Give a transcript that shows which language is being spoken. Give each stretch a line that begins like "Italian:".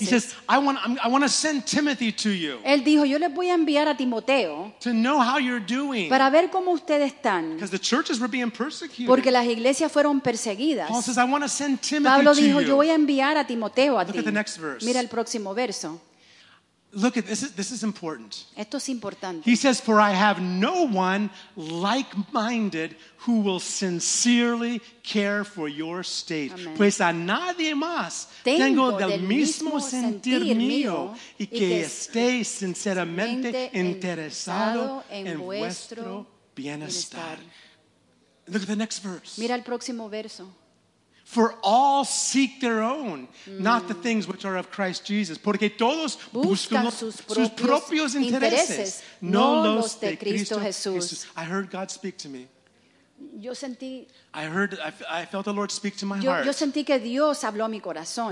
English: He says, I want to send Timothy to you.
Spanish: Él dijo, yo les voy a enviar a Timoteo.
English: To know how you're doing.
Spanish: Para ver cómo ustedes están.
English: Because the churches were being persecuted.
Spanish: Porque las iglesias fueron perseguidas.
English: Paul says, I want to send Timothy.
Spanish: Pablo dijo,
English: to you.
Spanish: Yo voy a enviar a Timoteo a
English: Look
Spanish: ti.
English: At the next verse.
Spanish: Mira el próximo verso.
English: Look at this is important.
Spanish: Esto es importante.
English: He says, "For I have no one like-minded who will sincerely care for your state." Amen.
Spanish: Pues a nadie más tengo del mismo sentir mío y que esté sinceramente interesado en vuestro bienestar.
English: Look at the next verse.
Spanish: Mira el próximo verso.
English: For all seek their own, not the things which are of Christ Jesus.
Spanish: Porque todos buscan sus propios intereses, no los de Cristo Jesús.
English: I heard God speak to me.
Spanish: Yo sentí.
English: I felt the Lord speak to my
Spanish: heart. Yo sentí que Dios habló a mi corazón.